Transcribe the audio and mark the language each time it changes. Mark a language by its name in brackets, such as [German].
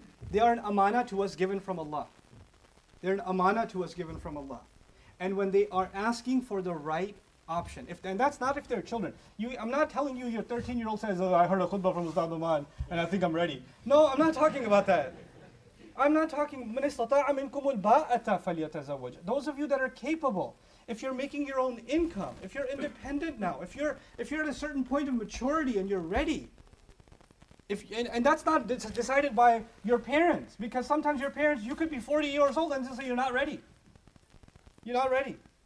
[English] They are an amana to us given from Allah. They're an amana to us given from Allah. And when they are asking for the right option, and that's not if they're children. I'm not telling you your 13-year-old says, oh, I heard a khutbah from Ustaz Oman, and I think I'm ready. No, I'm not talking about that. I'm not talking, [Arabic] مَنِ اسْتَطَاعَ مِنْكُمُ الْبَاءَةَ فَلْيَتَزَوَّجَ. [English] Those of you that are capable, if you're making your own income, if you're independent now, if you're at a certain point of maturity and you're ready, and that's not decided by your parents, because sometimes your parents, you could be 40 years old and just say you're not ready. You're not ready.